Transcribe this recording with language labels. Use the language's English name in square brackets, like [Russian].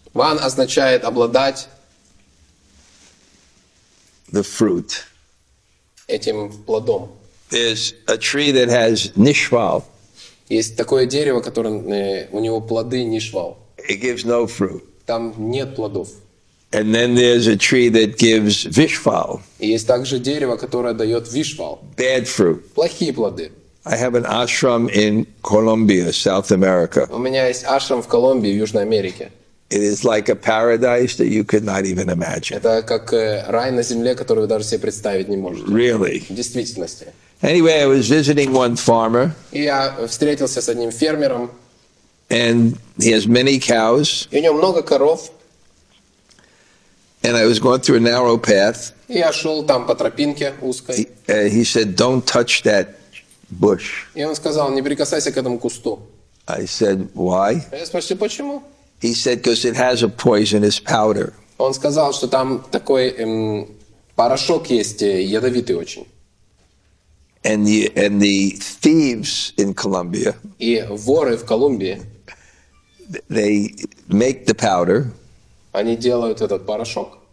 [Russian] Ван означает обладать. [English] The fruit. [Russian] Этим плодом. [English] There's a tree that has nishval. [Russian] Есть такое дерево, которое у него плоды нишвал. [English] It gives no fruit. [Russian] Там нет плодов. [English] And then there's a tree that gives vishval. [Russian] Есть также дерево, которое дает вишвал. [English] Bad fruit. [Russian] Плохие плоды. [English] I have an ashram in Colombia, South America. [Russian] У меня есть ашрам в Колумбии, в Южной Америке. [English] It is like a paradise that you could not even imagine. [Russian] Это как рай на земле, который вы даже себе представить не можете. [English] Really? [Russian] В действительности. [English] Anyway, I was visiting one farmer. [Russian] И я встретился с одним фермером. [English] And he has many cows. [Russian] И у него много коров. [English] And I was going through a narrow path. [Russian] Я шел там по тропинке узкой. [English] He said, "Don't touch that bush." [Russian] И он сказал, не прикасайся к этому кусту. [English] I said, "Why?" [Russian] Я спросил, почему? [English] He said, "Because it has a poisonous powder." [Russian] Он сказал, что там такой порошок есть, ядовитый очень. [English] And the thieves in Colombia. [Russian] И воры в Колумбии. [English] They make the powder. [Russian] Они делают этот порошок.